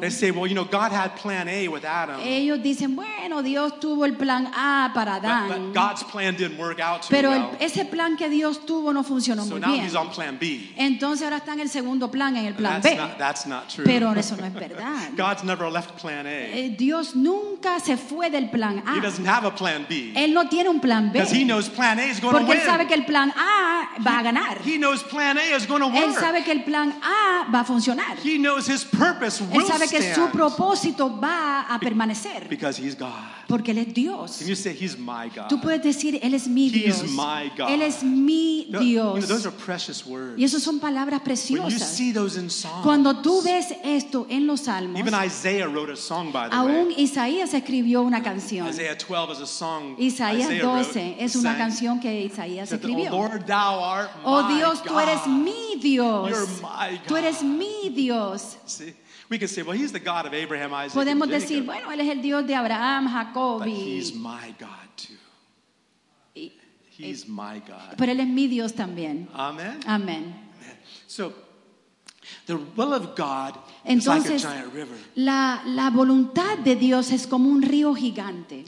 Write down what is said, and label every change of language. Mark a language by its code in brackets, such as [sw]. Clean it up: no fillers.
[en] They say, well, you know, God had plan A with Adam. [es] Ellos dicen, bueno, Dios tuvo el plan A para Adán. [en] But God's plan didn't work out too [es] pero [en] well. [es] Pero ese plan que Dios tuvo no funcionó [en] so [es] muy [en] now [es] bien. [en] He's on plan B. [es] Entonces ahora está en el segundo plan, en el plan [en] that's [es] B. [en] Not, that's not true. [es] Pero eso no es verdad. [en] God's never left plan A. [es] Dios nunca se fue del plan A. [en] He doesn't have a plan B. [es] Él no tiene un plan B. [en] Because he knows plan A is going to win. [es] Porque él sabe que el plan A va a ganar. [en] He knows plan A is going to work. [es] Él sabe que el plan A va a funcionar. [en] He knows his purpose will stand. [es] Él sabe que su propósito va a permanecer. [en] Because he's God. [es] Porque él es Dios. [en] Can you say he's my God? [es] Tú puedes decir él es mi Dios. [en] He's my God. [es] Él es mi Dios. [en] You know, those are precious words. [es] Y esas son palabras preciosas. [en] When you see those in songs, [es] cuando tú ves esto en los salmos. [en] Even Isaiah wrote a song, by the way. [es] Aún Isaías escribió una canción. [en] Isaiah 12 is a song. [es] Isaías 12 [en] wrote, [es] es una canción que Isaías escribió. [en] Oh Lord, thou art my [es] oh Dios, [en] God. [es] Tú eres mi Dios. [en] You're my God. [es] Tú eres mi Dios. [en] See? We can say, well, he's the God of Abraham, Isaac, and [es] podemos decir, bueno, él es el Dios de Abraham, Jacob. [en] But he's my God too. He's my God. [es] Pero él es mi Dios también. [en] Amen. [es] Amen. [en] So, the will of God [es] entonces, [en] is like a giant river. [es] La voluntad de Dios es como un río gigante.